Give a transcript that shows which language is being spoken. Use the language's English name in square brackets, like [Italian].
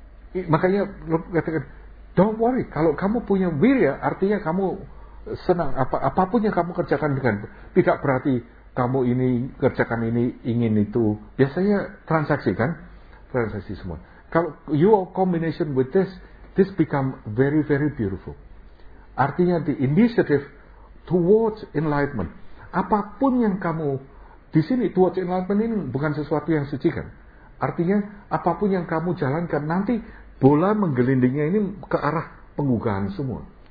[Indonesian] Makanya katakan, [English] don't worry. [Indonesian] Kalau kamu punya wirya, artinya kamu senang apapun yang kamu kerjakan dengan. Tidak berarti kamu ini kerjakan ini ingin itu. Biasanya transaksi kan, transaksi semua. Kalau [English] you are combination with this, this become very, very beautiful. [Indonesian] Artinya [English] the initiative towards enlightenment. [Indonesian] Apapun yang kamu di sini, [English] towards enlightenment [Indonesian] ini bukan sesuatu yang suci kan. Artinya apapun yang kamu jalankan, nanti bola menggelindingnya ini ke arah pengukuhan semua.